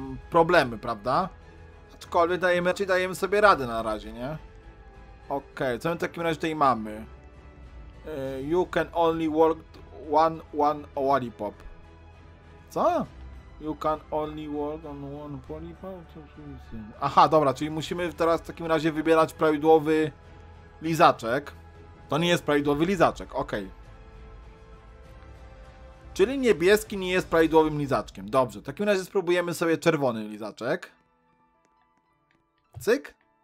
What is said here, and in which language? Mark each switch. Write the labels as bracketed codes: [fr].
[pl] Problemy, prawda? Aczkolwiek dajemy sobie radę na razie, nie? Okej, okay, co my w takim razie tutaj mamy? [en] You can only work one lollipop. [pl] Co? [en] You can only work on one lollipop? [pl] Aha, dobra, czyli musimy teraz w takim razie wybierać prawidłowy lizaczek. To nie jest prawidłowy lizaczek, okej. Okay. Czyli niebieski nie jest prawidłowym lizaczkiem. Dobrze, w takim razie spróbujemy sobie czerwony lizaczek. Cyk.